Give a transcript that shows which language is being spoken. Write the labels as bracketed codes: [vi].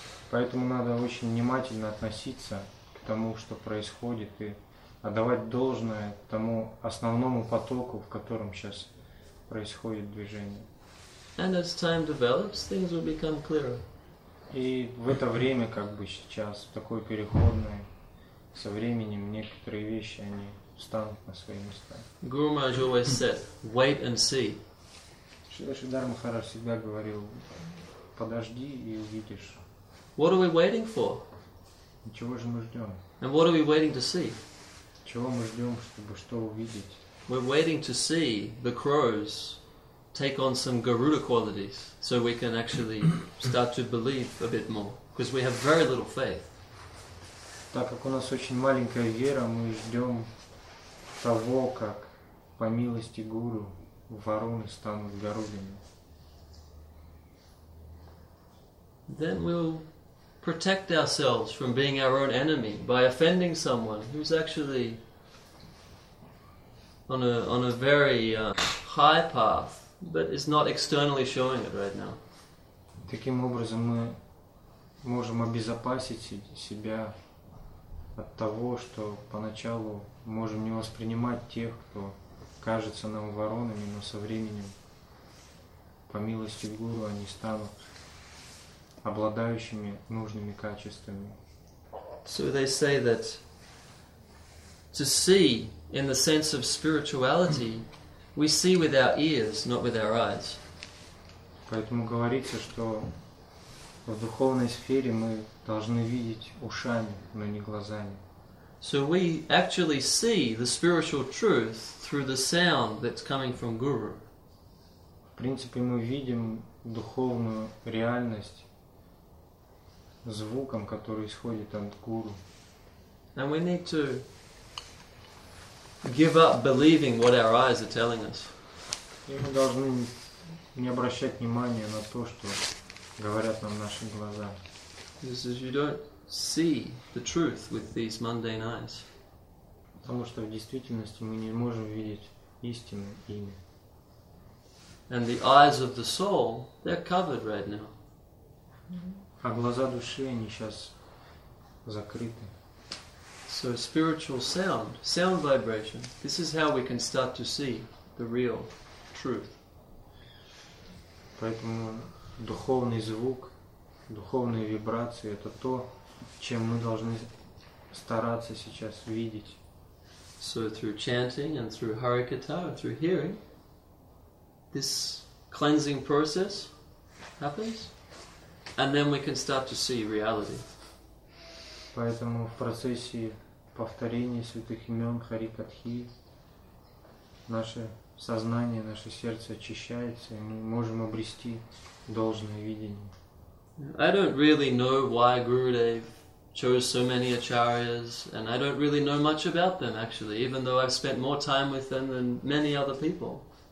[ru] Поэтому надо очень внимательно относиться к тому, что происходит, и отдавать должное тому основному потоку, в котором сейчас происходит движение. [en] And as time develops, things will become clearer. [ru] И в это время, как бы сейчас, в такой переходной, со временем некоторые вещи они станут на свои места. [en] Guru Maharaj always said, "Wait and see." [ru] Шридхар Махарадж всегда говорил, подожди и увидишь. [en] What are we waiting for? [ru] Чего же мы ждем? [en] And what are we waiting to see? [ru] Чего мы ждем, чтобы что увидеть? [en] We're waiting to see the crows take on some Garuda qualities, so we can actually start to believe a bit more, because we have very little faith. [ru] Так как у нас очень маленькая вера, мы ждем того, как по милости гуру вороны станут горудами. [en] Then we'll protect ourselves from being our own enemy by offending someone who's actually on a very high path, but is not externally showing it right now. [ru] Таким образом мы можем обезопасить себя от того, что поначалу можем не воспринимать тех, кто кажется нам воронами, но со временем, по милости Гуру, они станут обладающими нужными качествами. [en] So they say that to see in the sense of spirituality, we see with our ears, not with our eyes. [ru] Поэтому говорится, что в духовной сфере мы должны видеть ушами, но не глазами. [en] So we actually see the spiritual truth through the sound that's coming from Guru. [ru] В принципе, мы видим духовную реальность звуком, который исходит от Гуру. [en] And we need to give up believing what our eyes are telling us. [ru] И мы должны не обращать внимания на то, что говорят нам наши глаза. [en] This is you don't see the truth with these mundane eyes. [ru] Потому что в действительности мы не можем видеть истину ими. [en] And the eyes of the soul, they're covered right now. [ru] А глаза души, они сейчас закрыты. [en] So spiritual sound, sound vibration, this is how we can start to see the real truth. [ru] Поэтому духовный звук, духовные вибрации — это то, чем мы должны стараться сейчас видеть. [en] So through chanting and through Harikatha, through hearing, this cleansing process happens, and then we can start to see reality. [ru] Поэтому в процессе повторения святых имен Харикатхи наше сознание, наше сердце очищается, и мы можем обрести должное видение. [en] I don't really know why Gurudev chose so many acharyas, and I don't really know much about them actually, even though I've spent more time with them than many other people.